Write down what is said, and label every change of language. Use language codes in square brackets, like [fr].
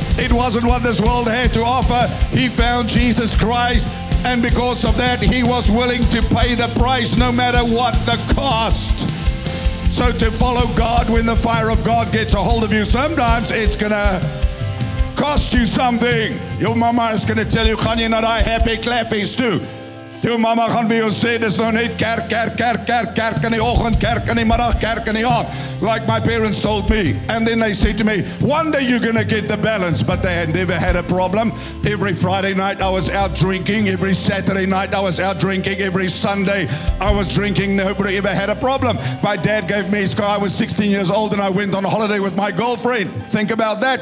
[en] It wasn't what this world had to offer. He found Jesus Christ, and because of that, he was willing to pay the price no matter what the cost. So to follow God when the fire of God gets a hold of you, sometimes it's going to cost you something. Your mama is going to tell you, [af] "Gaan jy na die happy clappies too?" [en] Your mama [af] gaan vir jou sê, dis nou net kerk in die oggend, kerk in die middag, kerk in die aand. [en] Like my parents told me. And then they said to me, one day you're going to get the balance. But they had never had a problem. Every Friday night I was out drinking. Every Saturday night I was out drinking. Every Sunday I was drinking. Nobody ever had a problem. My dad gave me his car. I was 16 years old and I went on a holiday with my girlfriend. Think about that.